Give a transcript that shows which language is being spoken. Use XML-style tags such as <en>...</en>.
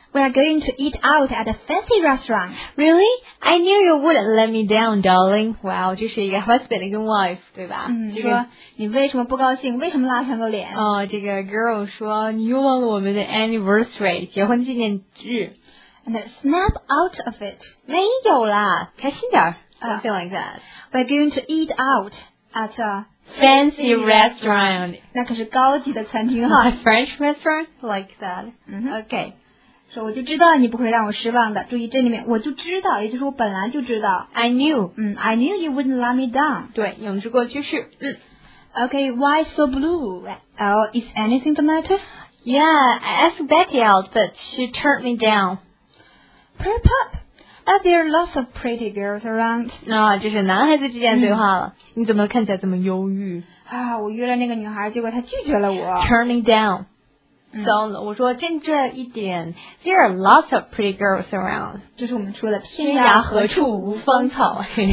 <en>We're going to eat out at a fancy restaurant. Really? I knew you wouldn't let me down, darling.</en> <zh>Wow, 这是一个 husband 跟 wife, 对吧？说你为什么不高兴？为什么拉长个脸？这个 girl 说你又忘了我们的 anniversary, 结婚纪念日。</zh> <en>And snap out of it.</en> <zh>没有啦，开心点。</zh> <en>Something like that. We're going to eat out at a... Fancy restaurant.</en> <zh>那可是高级的餐厅啊。</zh> <en>A French restaurant? Like that. Okay.</en> <zh>说我就知道你不会让我失望的。注意这里面我就知道，也就是我本来就知道。</zh> <en>I knew. I knew you wouldn't let me down.</en> <zh>对，用之过去式。</zh> <en>Okay, why so blue? Oh, is anything the matter? Yeah, I asked Betty out, but she turned me down. Perp up. There are lots of pretty girls around.</en> <zh>就是男孩子之间对话了。你怎么看起来这么忧郁？我约了那个女孩，结果她拒绝了我。</zh> <en>Turn me down. So,</en> <zh>我说振作一点。</zh> <en>There are lots of pretty girls around.</en> <zh>这是我们说的天涯何处无芳草。</zh>